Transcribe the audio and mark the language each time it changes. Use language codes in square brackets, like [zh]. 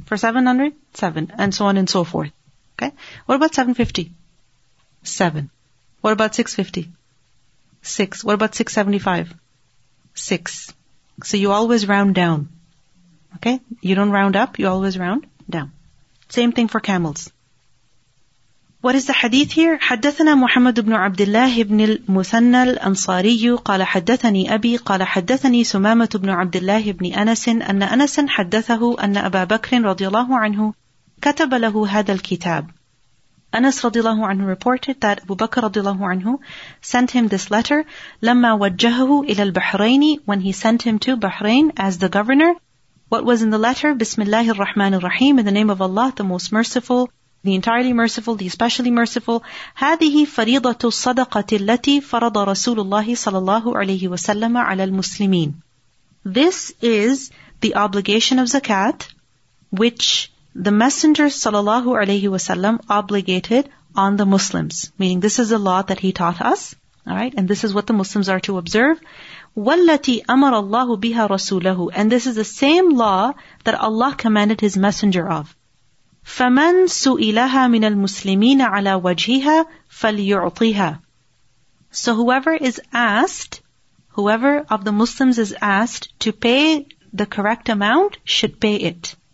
[en] For 700, 7. And so on and so forth. Okay? What about 750? 7. What about 650? 6. What about 675? 6. So you always round down. Okay? You don't round up, you always round down. Same thing for camels. What is the hadith here? [ar] حدثنا محمد بن عبد الله بن المثنى الأنصاري قال حدثني أبي قال حدثني سمامة بن عبد الله بن أنس أن أنس حدثه أن أبا بكر رضي الله عنه كتب له هذا الكتاب. [en] Anas [ar] رضي الله عنه [en] reported that Abu Bakr رضي الله عنه sent him this letter [ar] لما وجهه إلى البحرين, [en] when he sent him to Bahrain as the governor. What was in the letter? [ar] بسم الله الرحمن الرحيم, [en] in the name of Allah, the most merciful, the entirely merciful, the especially merciful. [ar] هذه فريضة الصدقة التي فرض رسول الله صلى الله عليه وسلم على المسلمين. [en] This is the obligation of zakat which the Messenger [ar] صلى الله عليه وسلم [en] obligated on the Muslims. Meaning this is a law that he taught us. All right, and this is what the Muslims are to observe. [ar] والتي أمر الله بها رسوله. [en] And this is the same law that Allah commanded his Messenger of. [ar] فَمَنْ سُئِلَهَا مِنَ الْمُسْلِمِينَ عَلَى وَجْهِهَا فَلْيُعْطِيهَا. [en] So whoever is asked, whoever of the Muslims is asked to pay the correct amount, should pay it.